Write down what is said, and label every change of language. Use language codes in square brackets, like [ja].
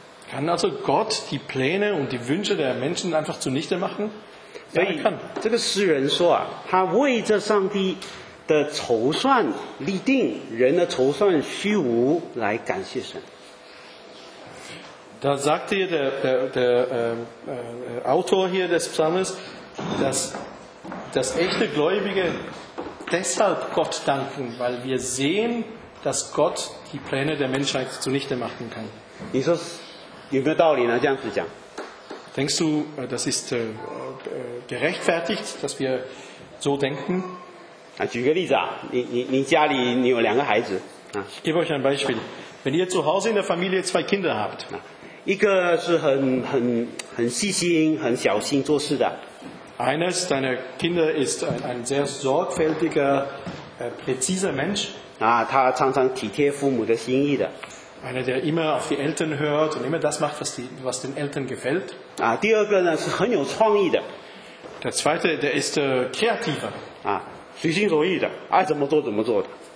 [de] Kann also Gott die Pläne und die Wünsche der Menschen einfach zunichte machen? Ja, er kann. [zh] 这个诗人说啊，他为着上帝 的筹算立定，人的筹算虚无，来感谢神。 [de] Da sagt hier der Autor hier des Psalms, dass echte Gläubige deshalb Gott danken, weil wir sehen, dass Gott die Pläne der Menschheit zunichte machen kann. [zh] 你说有没有道理呢？这样子讲。 [de] Denkst du, das ist gerechtfertigt, dass wir so denken? [zh] 举个例子啊，你家里你有两个孩子。 [de] Ich gebe euch ein Beispiel. Wenn ihr zu Hause in der Familie zwei Kinder habt, [zh] 一个是很细心、很小心做事的。 [de] Eines deiner Kinder ist ein sehr sorgfältiger, präziser Mensch. [zh] 他常常体贴父母的心意的。 [de] Einer, der immer auf die Eltern hört und immer das macht, was den Eltern gefällt. [zh] 第二个呢是很有创意的。 [de] Der zweite, der ist kreativer. [zh] 随心所欲的，爱怎么做怎么做的。